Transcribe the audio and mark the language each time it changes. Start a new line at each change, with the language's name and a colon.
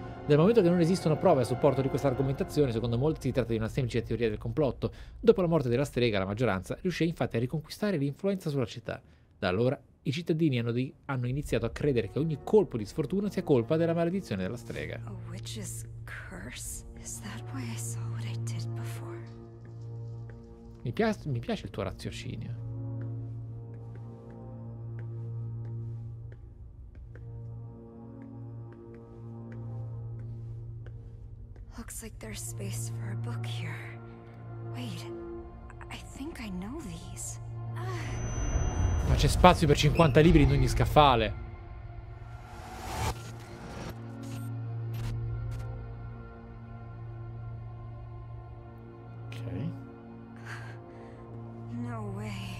Italian: Dal momento che non esistono prove a supporto di questa argomentazione, secondo molti si tratta di una semplice teoria del complotto. Dopo la morte della strega, la maggioranza riuscì infatti a riconquistare l'influenza sulla città. Da allora, i cittadini hanno iniziato a credere che ogni colpo di sfortuna sia colpa della maledizione della strega.
English: A witch's curse? Is that why I saw what I did before?
Italian: Mi piace il tuo raziocinio.
English: Looks like there's space for a book here. Wait, I think I know these.
Italian: Ma c'è spazio per 50 libri in ogni scaffale. Ok.
English: No way.